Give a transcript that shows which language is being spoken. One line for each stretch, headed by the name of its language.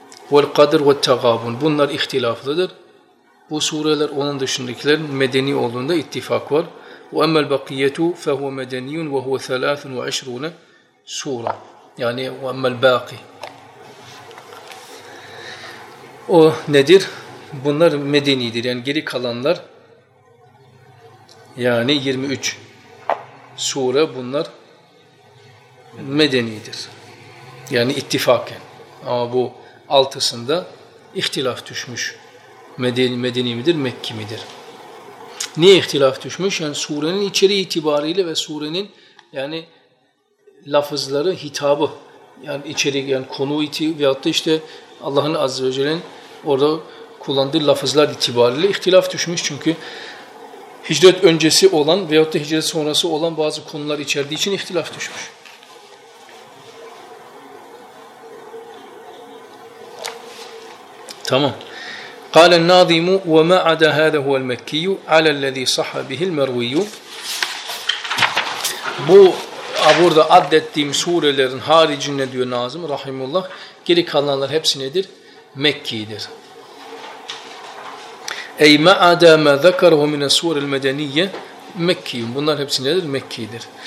Arabic: والقدر والتغابن
Turkish: bunlar ihtilaflıdır. Bu sureler onun dışındakilerin medeni olduğunda ittifak var.
Arabic: وَأَمَّا الْبَقِيَّةُ فَهُوَ مَدَنِيٌّ وَهُوَ 23 sure.
Turkish: Yani
Arabic: وَأَمَّا الْبَاقِي
Turkish: o nedir? Bunlar medenidir. Yani geri kalanlar yani 23 sure bunlar medenidir. Yani ittifaken. Ama bu altısında ihtilaf düşmüş. Medeni midir, Mekki midir? Niye ihtilaf düşmüş? Yani surenin içeriği itibariyle ve surenin yani lafızları, hitabı yani içerik, yani konu veyahut da işte Allah'ın Azze ve Celle'nin orada kullandığı lafızlar itibariyle ihtilaf düşmüş. Çünkü hicret öncesi olan veyahut da hicret sonrası olan bazı konular içerdiği için ihtilaf düşmüş. Tamam.
Arabic: قال الناظم وما عدا هذا هو المكي على الذي صح به المروي.
Turkish: Bu burada addettiğim surelerin haricinde diyor Nazım Rahimullah, geri kalanlar hepsi nedir? Mekki'dir.
Arabic: Ey ma ada ma zekerhu min es-sure'l medeniyye
Turkish: Mekki. Bunlar hepsi nedir? Mekki'dir.